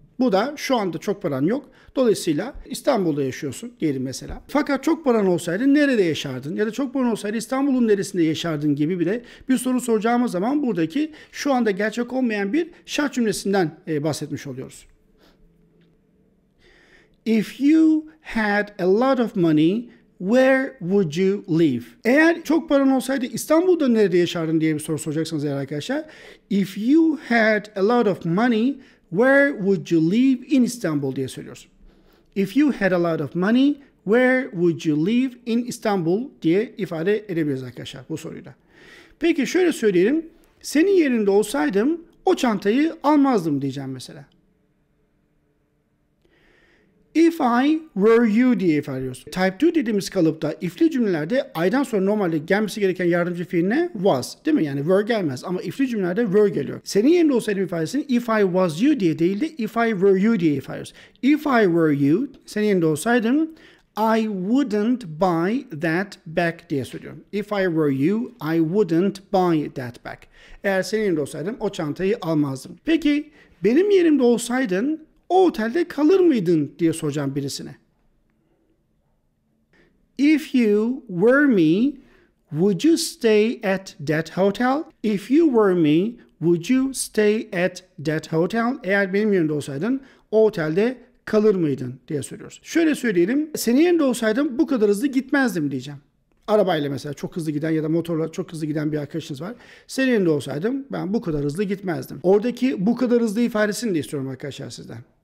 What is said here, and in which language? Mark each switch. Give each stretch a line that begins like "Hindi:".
Turkish: Bu da şu anda çok paran yok. Dolayısıyla İstanbul'da yaşıyorsun diyelim mesela. Fakat çok paran olsaydı nerede yaşardın? Ya da çok paran olsaydı İstanbul'un neresinde yaşardın gibi bir de bir soru soracağımız zaman buradaki şu anda gerçek olmayan bir şart cümlesinden bahsetmiş oluyoruz.
English: If you had a lot of money, where would you live?
Turkish: Eğer çok paran olsaydı İstanbul'da nerede yaşardın diye bir soru soracaksınız eğer arkadaşlar.
English: If you had a lot of money, where would you live in Istanbul
Turkish: diye söylüyoruz.
English: If you had a lot of money, where would you live in Istanbul
Turkish: diye ifade edebiliriz arkadaşlar bu soruyla. Peki şöyle söyleyelim. Senin yerinde olsaydım o çantayı almazdım diyeceğim mesela.
English: If I were you
Turkish: diye ifade ediyoruz. Type 2 dediğimiz kalıpta if'li cümlelerde I'dan sonra normalde gelmesi gereken yardımcı fiiline was değil mi? Yani were gelmez ama if'li cümlelerde were geliyor. Senin yerinde olsaydım ifadesini
English: if I was you
Turkish: diye değil de
English: if I were you
Turkish: diye ifade ediyoruz.
English: If I were you,
Turkish: senin yerinde olsaydım
English: I wouldn't buy that back
Turkish: diye söylüyorum.
English: If I were you, I wouldn't buy that back.
Turkish: Eğer senin yerinde olsaydım o çantayı almazdım. Peki benim yerimde olsaydın o otelde kalır mıydın diye soracağım birisine.
English: If you were me, would you stay at that hotel? If you were me, would you stay at that hotel?
Turkish: Eğer benim yerimde olsaydın, o otelde kalır mıydın diye soruyoruz. Şöyle söyleyelim, senin yerinde olsaydım bu kadar hızlı gitmezdim diyeceğim. Arabayla mesela çok hızlı giden ya da motorla çok hızlı giden bir arkadaşınız var. Senin yerinde olsaydım ben bu kadar hızlı gitmezdim. Oradaki bu kadar hızlı ifadesini de istiyorum arkadaşlar sizden.